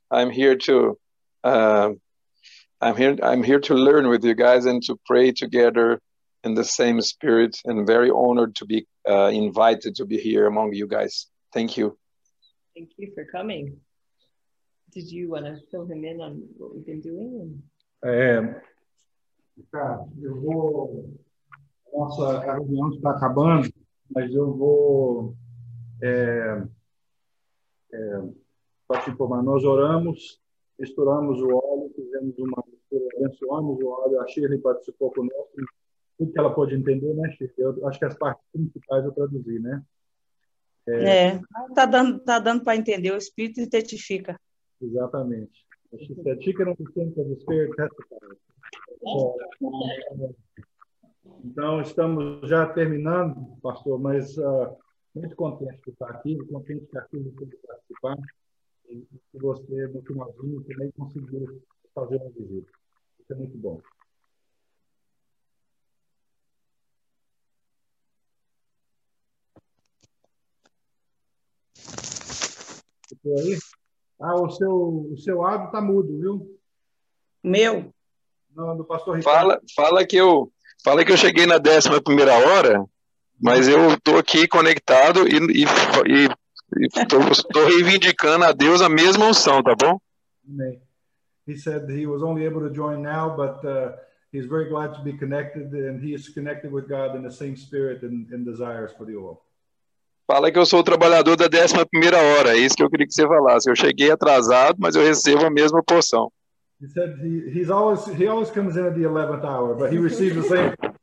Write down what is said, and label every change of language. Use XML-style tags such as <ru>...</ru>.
<en>I'm here to learn with you guys and to pray together in the same spirit. And very honored to be invited to be here among you guys. Thank you. Thank you for coming. Did you want to fill him in on what we've been doing? I am.</en> <pt>Nossa, a reunião está acabando, mas eu vou só te informar. Nós oramos, misturamos o óleo, fizemos uma abençoamos o óleo, a Shirley participou conosco, tudo que ela pode entender, né, Chico? Eu acho que as partes principais eu traduzi, né? Tá dando para entender, o espírito identifica. Exatamente.</pt> <en>She said, she can understand because the spirit testifies.</en> <pt>Então, estamos já terminando, pastor, mas muito contente por estar aqui, contente que aqui você pode participar e que você, no finalzinho, também conseguiu fazer uma visita. Isso é muito bom. Ficou aí? Ah, o seu áudio está mudo, viu? Meu? Não, do pastor Ricardo. Fala que eu cheguei na 11ª hora, mas eu estou aqui conectado e tô reivindicando a Deus a mesma unção, tá bom? Amém.</pt> <en>He said he was only able to join now, but he's very glad to be connected, and he is connected with God in the same spirit and desires for the oil.</en> <pt>Fala que eu sou o trabalhador da 11ª hora, é isso que eu queria que você falasse. Eu cheguei atrasado, mas eu recebo a mesma porção.</pt> <en>He said he always comes in at the 11th hour, but he receives the same.</en>